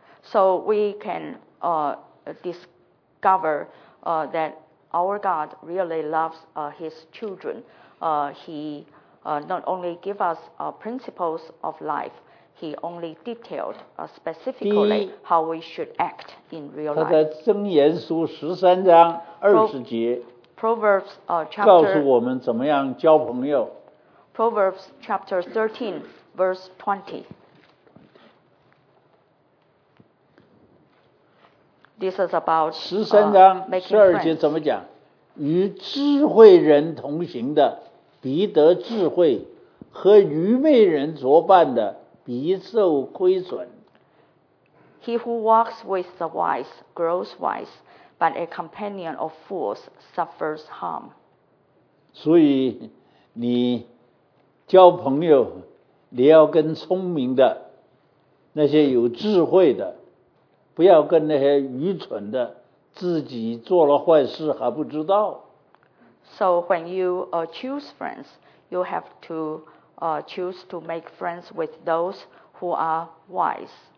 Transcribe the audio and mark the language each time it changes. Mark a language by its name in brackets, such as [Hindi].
[English] So we can discover that our God really loves His children. He not only give us principles of life, He only detailed specifically how we should act in real life. [Chinese] 他在箴言书十三章二十节。 [English] Proverbs chapter [Chinese] 告诉我们怎么样交朋友。 [English] Proverbs chapter 13 verse 20. This is about [Chinese] 十三章十二节怎么讲？与智慧人同行的必得智慧，和愚昧人作伴的必受亏损。 [English] He who walks with the wise grows wise. But a companion of fools suffers harm. [Chinese] 所以你交朋友，你要跟聪明的，那些有智慧的，不要跟那些愚蠢的，自己做了坏事还不知道。 [English] So when you choose friends, you have to choose to make friends with those who are wise.